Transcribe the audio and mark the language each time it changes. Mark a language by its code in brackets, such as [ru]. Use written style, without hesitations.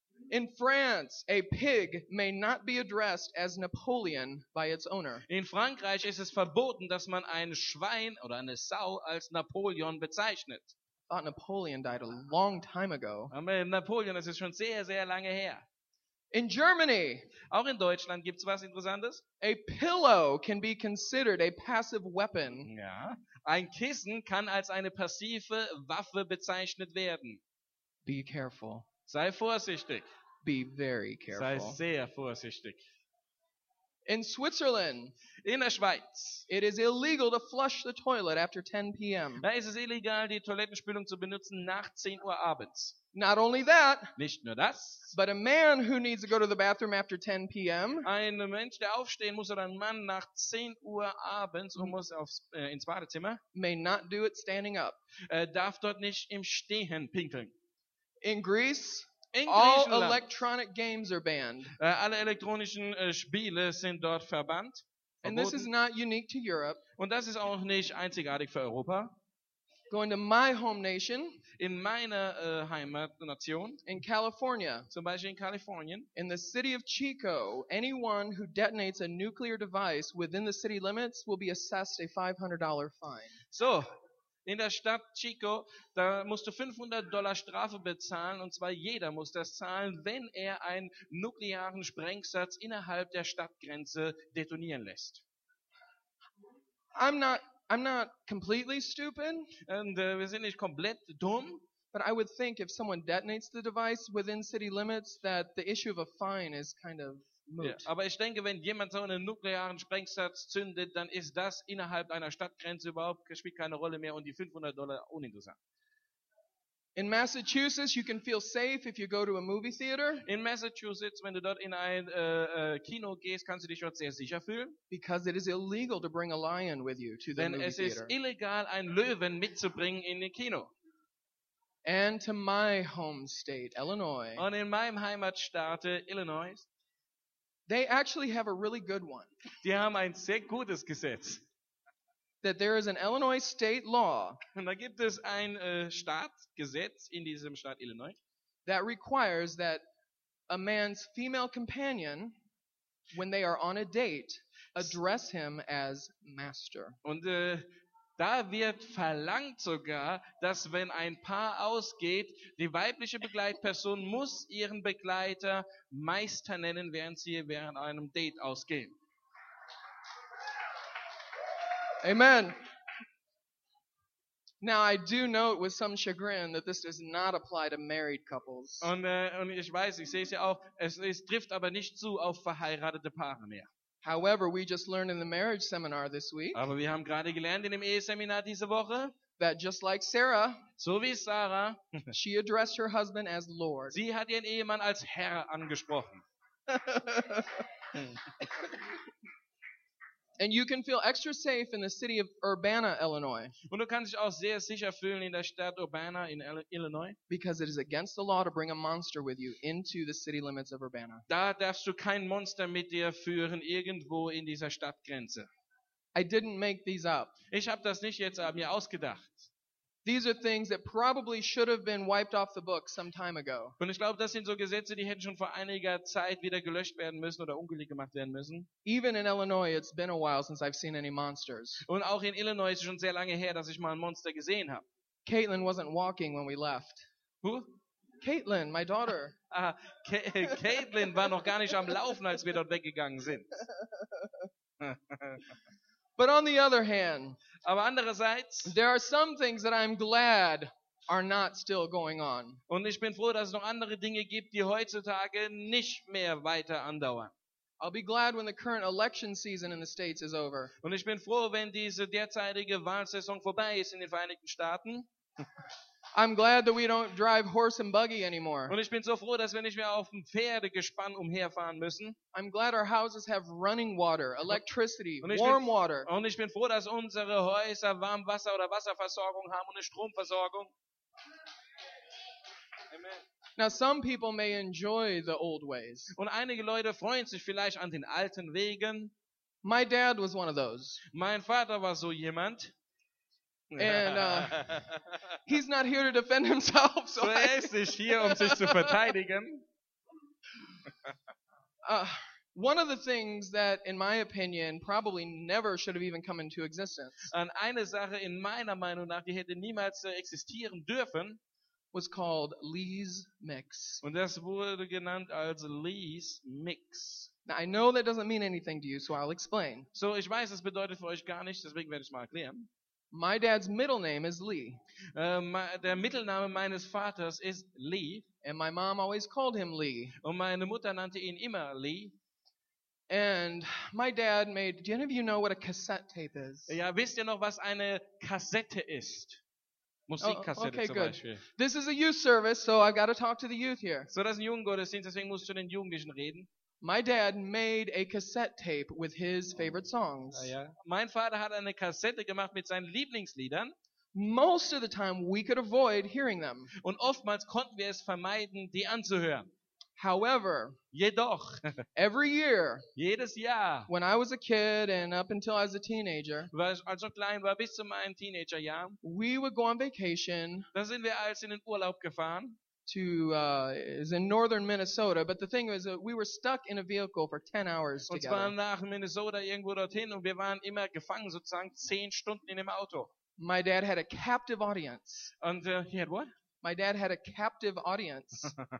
[en] In France, a pig may not be addressed as Napoleon by its owner. [de] In Frankreich ist es verboten, dass man ein Schwein oder eine Sau als Napoleon bezeichnet. [en] Thought Napoleon died a long time ago. [de] Napoleon, das ist schon sehr, sehr lange her. [en] In Germany, [de] auch in Deutschland gibt's was Interessantes. [en] A pillow can be considered a passive weapon. [de] Ja, ein Kissen kann als eine passive Waffe bezeichnet werden. [en] Be careful. [de] Sei vorsichtig. [en] Be very careful. [de] Sei sehr vorsichtig. [en] In Switzerland, [de] in der Schweiz, [en] it is illegal to flush the toilet after 10 p.m. [de] Da ist es illegal, die Toilettenspülung zu benutzen nach 10 Uhr abends. [en] Not only that, [de] nicht nur das, [en] but a man who needs to go to the bathroom after 10 p.m. [de] Ein Mensch, der aufstehen muss, oder ein Mann nach 10 Uhr abends und muss ins Badezimmer, [en] may not do it standing up. [de] Darf dort nicht im Stehen pinkeln. [en] In Greece, [de] in [en] all electronic games are banned. [de] Alle elektronischen Spiele sind dort verbannt. Verboten. [en] And this is not unique to Europe. [de] Und das ist auch nicht einzigartig für Europa. [en] Going to my home nation, [de] in meiner Heimatnation, [en] in California, [de] zum Beispiel in Kalifornien, [en] in the city of Chico, anyone who detonates a nuclear device within the city limits will be assessed a $500 fine. So. [de] In der Stadt Chico, da musst du $500 Strafe bezahlen, und zwar jeder muss das zahlen, wenn er einen nuklearen Sprengsatz innerhalb der Stadtgrenze detonieren lässt. [en] I'm not completely stupid. [de] Und wir sind nicht komplett dumm. [en] But I would think if someone detonates the device within city limits, that the issue of a fine is kind of moot. Yeah, [de] aber ich denke, wenn jemand so einen nuklearen Sprengsatz zündet, dann ist das innerhalb einer Stadtgrenze überhaupt, spielt keine Rolle mehr, und die $500 uninteressant. [en] In Massachusetts, you can feel safe if you go to a movie theater. [de] In Massachusetts, wenn du dort in ein Kino gehst, kannst du dich dort sehr sicher fühlen. [en] Because it is illegal to bring a lion with you to the movie theater. [de] Denn es ist illegal, einen Löwen mitzubringen in den Kino. [en] And to my home state, Illinois. [de] Und in meinem Heimatstaat Illinois. [en] They actually have a really good one. [de] Die haben ein sehr gutes Gesetz. [en] That there is an Illinois state law. [de] Und da gibt es ein Staatsgesetz in diesem Staat Illinois. [en] That requires that a man's female companion, when they are on a date, address him as master. [de] Und da wird verlangt sogar, dass wenn ein Paar ausgeht, die weibliche Begleitperson muss ihren Begleiter Meister nennen, während sie während einem Date ausgehen. [en] Amen. Now I do note with some chagrin that this does not apply to married couples. [de] Und ich weiß, ich sehe es ja auch, es trifft aber nicht zu auf verheiratete Paare mehr. [en] However, we just learned in the marriage seminar this week. [de] Aber wir haben gerade gelernt in dem Eheseminar diese Woche. [en] That just like Sarah, [de] so wie Sarah, [en] she addressed her husband as Lord. [de] Sie hat ihren Ehemann als Herr angesprochen. [en] And you can feel extra safe in the city of Urbana, Illinois. [de] Und du kannst dich auch sehr sicher fühlen in der Stadt Urbana in Illinois. [en] Because it is against the law to bring a monster with you into the city limits of Urbana. [de] Da darfst du kein Monster mit dir führen irgendwo in dieser Stadtgrenze. [en] I didn't make these up. [de] Ich habe das nicht jetzt mir ausgedacht. [en] These are things that probably should have been wiped off the books some time ago. [de] Und ich glaube, das sind so Gesetze, die hätten schon vor einiger Zeit wieder gelöscht werden müssen oder ungültig gemacht werden müssen. [en] Even in Illinois, it's been a while since I've seen any monsters. [de] Und auch in Illinois ist es schon sehr lange her, dass ich mal ein Monster gesehen habe. [en] Caitlin wasn't walking when we left. Who? Caitlin, my daughter. [de] Caitlin war noch gar nicht am Laufen, als wir dort weggegangen sind. [en] But on the other hand, [de] aber andererseits, [en] there are some things that I'm glad are not still going on. [de] Und ich bin froh, dass es noch andere Dinge gibt, die heutzutage nicht mehr weiter andauern. [en] I'll be glad when the current election season in the States is over. [de] Und ich bin froh, wenn diese derzeitige Wahlsaison vorbei ist in den Vereinigten Staaten. [en] I'm glad that we don't drive horse and buggy anymore. [de] Und ich bin so froh, dass wir nicht mehr auf dem Pferdegespann umherfahren müssen. [en] I'm glad our houses have running water, electricity, warm water. [de] Und ich bin froh, dass unsere Häuser warm Wasser oder Wasserversorgung haben und eine Stromversorgung. [en] Amen. Now some people may enjoy the old ways. [de] Und einige Leute freuen sich vielleicht an den alten Wegen. [en] My dad was one of those. [de] Mein Vater war so jemand. [en] And he's not here to defend himself. [de] So er ist nicht hier, um sich zu verteidigen. [en] One of the things that, in my opinion, probably never should have even come into existence. [de] Und eine Sache in meiner Meinung nach, die hätte niemals existieren dürfen, [en] was called Lee's Mix. [de] Und das wurde genannt als Lee's Mix. [en] Now I know that doesn't mean anything to you, so I'll explain. [de] So ich weiß, das bedeutet für euch gar nichts, deswegen werde ich es mal erklären. [en] My dad's middle name is Lee. [de] Der Mittelname meines Vaters ist Lee. [en] And my mom always called him Lee. [de] Und meine Mutter nannte ihn immer Lee. [en] And my dad made... Do any of you know what a cassette tape is? [de] Ja, wisst ihr noch, was eine Kassette ist? Musikkassette [en] okay, [de] zum [en] good. [de] Beispiel. [en] This is a youth service, so I've got to talk to the youth here. [de] So das ist ein Jugendgottesdienst, deswegen musst du den Jugendlichen reden. [en] My dad made a cassette tape with his favorite songs. [de] Ja, ja. Mein Vater hat eine Kassette gemacht mit seinen Lieblingsliedern. [en] Most of the time we could avoid hearing them. [de] Und oftmals konnten wir es vermeiden, die anzuhören. [en] However, [de] jedoch, [en] every year, [de] jedes Jahr, [en] when I was a kid and up until I was a teenager, [de] als ich klein war, bis zu meinem Teenagerjahr, [en] we would go on vacation. [de] Da sind wir als in den Urlaub gefahren. [en] Is in northern Minnesota, but the thing was that we were stuck in a vehicle for 10 hours [de] und [en] together. [de] Und zwar nach Minnesota irgendwo dorthin und wir waren immer gefangen sozusagen 10 Stunden in dem Auto. [en] My dad had a captive audience. Und he had what? My dad had a captive audience.